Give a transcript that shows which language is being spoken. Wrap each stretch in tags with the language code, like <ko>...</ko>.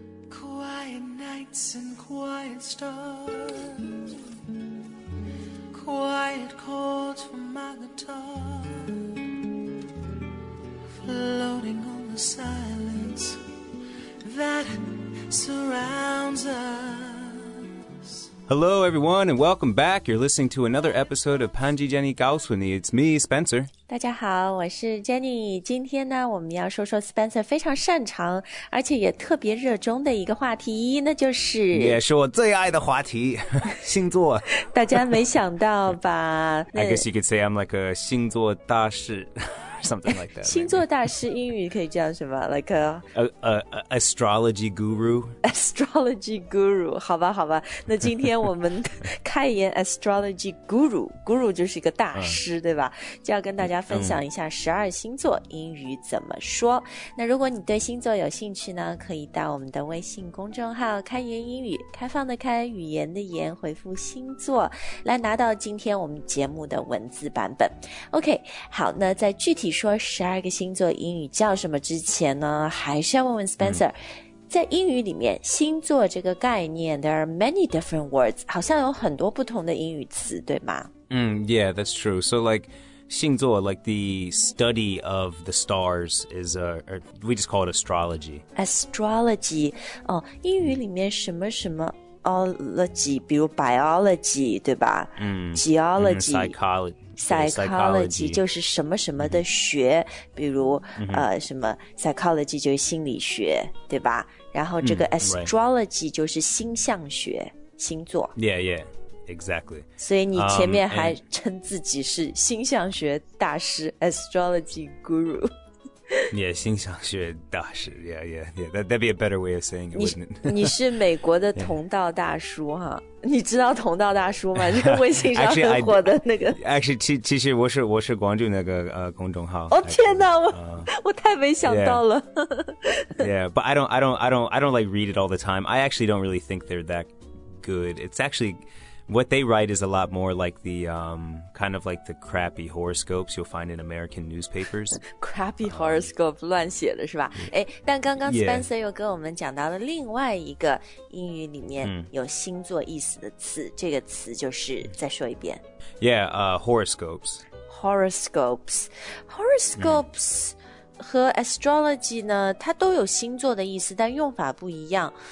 <en>quiet nights and quiet stars, quiet chords from my guitar, floating on the silence that surrounds us. Hello everyone and welcome back. You're listening to another episode of Panji Jenny Gaoswini. It's me, Spencer.</en> <zh>大家好，我是 Jenny。今天呢，我们要说说 Spencer 非常擅长而且也特别热衷的一个话题，那就是，也是我最爱的话题，星座。大家没想到吧。</zh> <en>I guess you could say I'm like a</en> <zh>星座大师</zh> <en>something like that.</en> <zh>星座大师英语可以叫什么？</zh> <en>Like astrology guru.</en> <zh>Astrology guru. 好吧，好吧。那今天我们开言</zh> <en>astrology guru.</en> <zh>Guru 就是一个大师，对吧？就要跟大家分享一下十二星座英语怎么说。那如果你对星座有兴趣呢，可以到我们的微信公众号开言英语，开放的开，语言的言，回复星座，来拿到今天我们节目的文字版本。 OK, 好，那在具体说十二个星座英语叫什么之前呢，还是要问问 Spencer、在英语里面星座这个概念</zh> <en>there are many different words,</en> <zh>好像有很多不同的英语词，对吗？</zh> <en>Yeah, that's true. So like 星座 like the study of the stars is we just call it astrology.</en> <zh>Astrology, 哦，英语里面什么什么ology, 比如 biology, 对吧？</zh> <en>geology, psychology</en> <zh>就是什么什么的学、比如、什么 psychology 就是心理学，对吧？然后这个 astrology 就是星象学、星座。</zh> <en>Yeah, yeah, exactly.</en> <zh>所以你前面还称自己是星象学大师</zh> <en>astrology guru。 Yeah,</en> <zh>星象学大师</zh> <en>Yeah, yeah, yeah. That'd be a better way of saying it, wouldn't it?</en> <zh>你是美国的同道大叔哈，你知道同道大叔吗？就微信上很火的那个。其实我是关注那个公众号。哦天哪，我太没想到了。</zh> <en>Yeah, but I don't like read it all the time. I actually don't really think they're that good. It's actually what they write is a lot more like the kind of like the crappy horoscopes you'll find in American newspapers.</en> <zh>Crappy horoscope, 乱写的是吧？哎，但刚刚 Spencer 又跟我们讲到了另外一个英语里面有星座意思的词，这个词就是再说一遍。</zh> <en>Yeah, horoscopes.</en> <zh>Horoscopes, horoscopes 和 astrology 呢，它都有星座的意思，但用法不一样。</zh>